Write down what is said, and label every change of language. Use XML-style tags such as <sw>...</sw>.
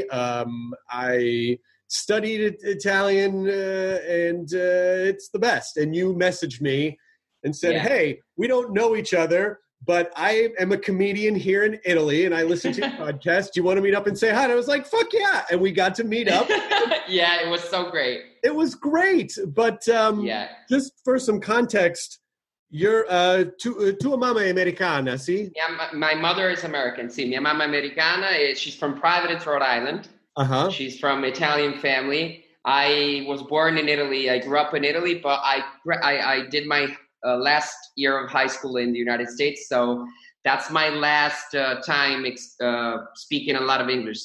<en>I studied Italian, and it's the best. And you messaged me and said, yeah. Hey, we don't know each other, but I am a comedian here in Italy, and I listen to your podcast. Do you want to meet up and say hi? And I was like, fuck yeah. And we got to meet up. Yeah, it was so great. It was great.</en> <it>But just for some context,</it> <en>you're</en> <it>tua mamma è americana, sì?</it> <en>Yeah, my mother is American,</en> <it>sì. Mia mamma è americana.</it> <en>She's from Providence, Rhode Island. Uh-huh. She's from Italian family. I was born in Italy. I grew up in Italy, but I did my last year of high school in the United States. So that's my last time speaking a lot of English.</en>